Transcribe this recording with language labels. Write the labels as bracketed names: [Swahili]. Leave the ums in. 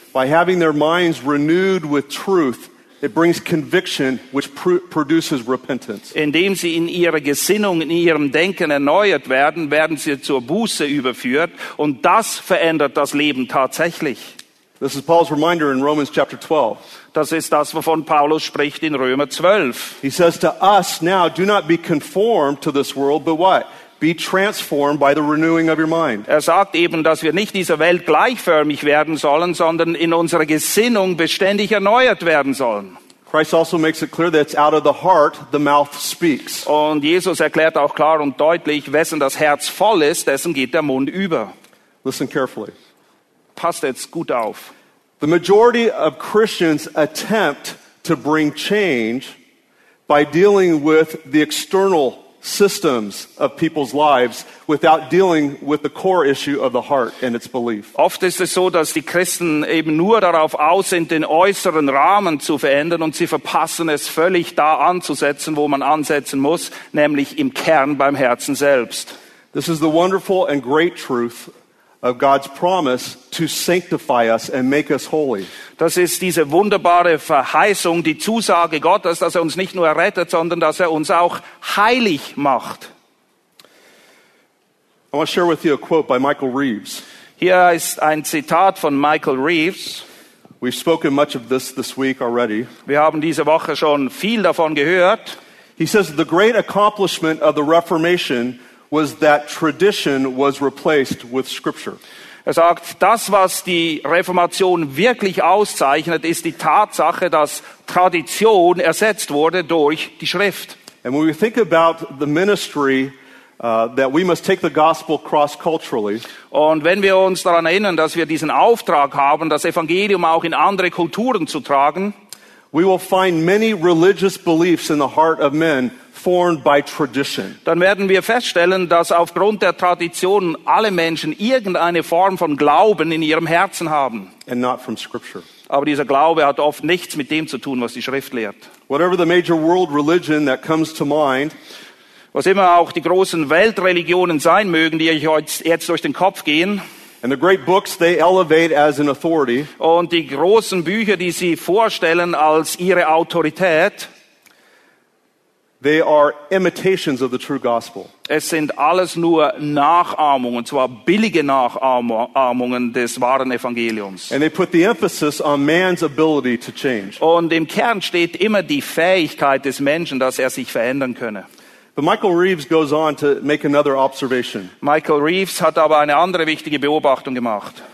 [English] By having their minds renewed with truth, it brings conviction which produces repentance. [German] Indem sie in ihrer Gesinnung, in ihrem Denken erneuert werden, werden sie zur Buße überführt und das verändert das Leben tatsächlich. [English] This is Paul's reminder in Romans chapter 12. [German] Das ist das, wovon Paulus spricht in Römer 12. [English] He says to us now, do not be conformed to this world, but what? Be transformed by the renewing of your mind. [German] Er sagt eben, dass wir nicht dieser Welt gleichförmig werden sollen, sondern in unserer Gesinnung beständig erneuert werden sollen. [English] Christ also makes it clear that it's out of the heart the mouth speaks. [German] Und Jesus erklärt auch klar und deutlich, wessen das Herz voll ist, dessen geht der Mund über. [English] Listen carefully. The majority of Christians attempt to bring change by dealing with the external systems of people's lives without dealing with the core issue of the heart and its belief. [German] Oft ist es so, dass die Christen eben nur darauf aus sind, den äußeren Rahmen zu verändern und sie verpassen es völlig da anzusetzen, wo man ansetzen muss, nämlich im Kern beim Herzen selbst. [English] This is the wonderful and great truth of God's promise to sanctify us and make us holy. [German] Das ist diese wunderbare Verheißung, die Zusage Gottes, dass er uns nicht nur errettet, sondern dass er uns auch heilig macht. [English] I want to share with you a quote by Michael [German] Reeves. Hier ist ein Zitat Michael Reeves. [English] We've spoken much of this this week already. [German] Wir haben diese Woche schon viel davon gehört. [English] He says the great accomplishment of the Reformation was that tradition was replaced with scripture. [German] Er sagt, das, was die Reformation wirklich auszeichnet, ist die Tatsache, dass Tradition ersetzt wurde durch die Schrift. [English] And when we think about the ministry uh, that we must take the gospel cross culturally. [German] Und wenn wir uns daran erinnern, dass wir diesen Auftrag haben, das Evangelium auch in andere Kulturen zu tragen, [English] we will find many religious beliefs in the heart of men [German] Dann werden wir feststellen, dass aufgrund der Tradition alle Menschen irgendeine Form von Glauben in ihrem Herzen haben. Scripture. Aber dieser Glaube hat oft nichts mit dem zu tun, was die Schrift lehrt. Mind, was immer auch die großen Weltreligionen sein mögen, die euch jetzt durch den Kopf gehen, books, Und die großen Bücher, die sie vorstellen als ihre Autorität. [English] They are imitations of the true gospel. [German] Es sind alles nur Nachahmungen, zwar billige Nachahmungen des wahren Evangeliums. [English] And they put the emphasis on man's ability to change. [German] Und im Kern steht immer die Fähigkeit des Menschen, dass er sich verändern könne. [English] But Michael Reeves goes on to make another observation. [German] Michael Reeves hat aber eine andere wichtige Beobachtung gemacht.